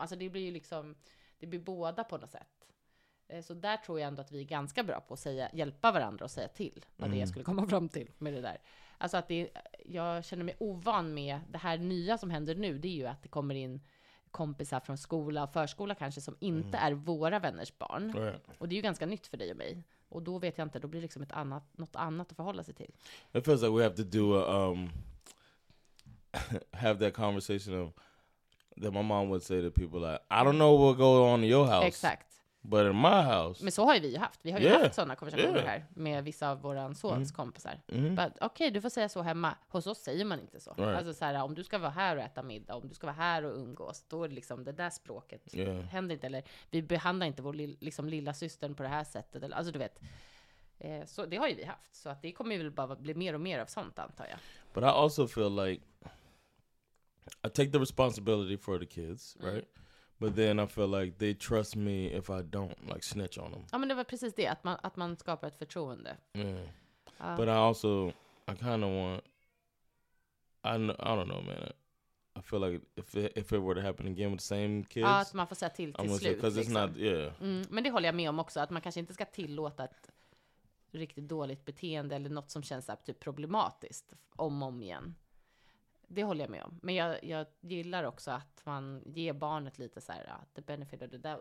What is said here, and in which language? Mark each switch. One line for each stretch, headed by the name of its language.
Swedish: Alltså det blir ju liksom, det blir båda på något sätt. Så där tror jag ändå att vi är ganska bra på att säga, hjälpa varandra och säga till vad det jag skulle komma fram till med det där. Alltså att det, jag känner mig ovan med det här nya som händer nu. Det är ju att det kommer in kompisar från skola och förskola kanske som inte är våra vänners barn.
English: Right.
Swedish: Och det är ju ganska nytt för dig och mig. Och då vet jag inte, då blir det liksom ett annat, något annat att förhålla sig till.
English: It feels like we have to do have that conversation of that my mom would say to people like, I don't know what goes on in your house.
Swedish: Exakt.
English: But in my house.
Swedish: Men så har ju vi haft. Vi har ju haft sådana konversationer här med vissa av våra sons kompisar.
English: But okay,
Swedish: du får säga så hemma. Hos oss säger man inte så.
English: Right.
Swedish: Alltså så här, om du ska vara här och äta middag, om du ska vara här och umgås, då är det liksom det där språket händer inte. Eller vi behandlar inte vår liksom lilla systern på det här sättet. Eller, alltså du vet. Så det har ju vi haft. Så att det kommer ju bara bli mer och mer av sånt, antar jag.
English: But I also feel like I take the responsibility for the kids, right? But then I feel like they trust me if I don't, like, snitch on them.
Swedish: Ja, men det var precis det, att man skapar ett förtroende.
English: Yeah. But I also, I kind of want, I don't know, man. I feel like if it were to happen again with the same kids.
Swedish: Ja, att man får säga till slut.
English: Because it's not, yeah.
Swedish: Mm, men det håller jag med om också, att man kanske inte ska tillåta ett riktigt dåligt beteende eller något som känns typ problematiskt om igen. Det håller jag med om. Men jag gillar också att man ger barnet lite så här,
English: the benefit of the doubt.